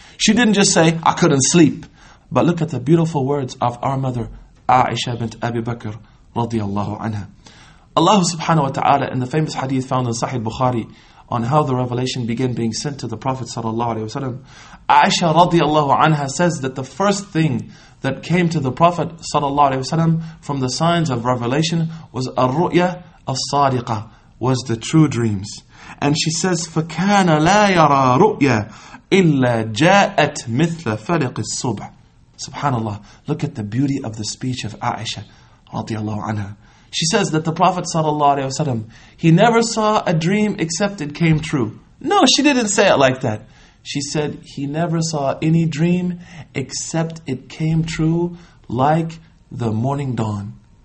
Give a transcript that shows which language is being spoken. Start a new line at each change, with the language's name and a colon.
English: She didn't just say, I couldn't sleep. But look at the beautiful words of our mother Aisha bint Abi Bakr radiallahu anha. Allah subhanahu wa ta'ala, in the famous hadith found in Sahih Bukhari, on how the revelation began being sent to the Prophet sallallahu alaihi wasallam. Aisha radiallahu anha says that the first thing that came to the Prophet sallallahu alaihi wasallam from the signs of revelation was
Arabic: al-ru'ya al-sadiqa,
English: was the true dreams. And she says,
Arabic: فَكَانَ لَا يَرَى رُؤْيَا إِلَّا جَاءَتْ مِثْلَ فَلِقِ الصُّبْحِ.
English: Subhanallah, look at the beauty of the speech of Aisha radiallahu anha. She says that the Prophet sallallahu alaihi wasallam, he never saw a dream except it came true. No, she didn't say it like that. She said he never saw any dream except it came true like the morning dawn.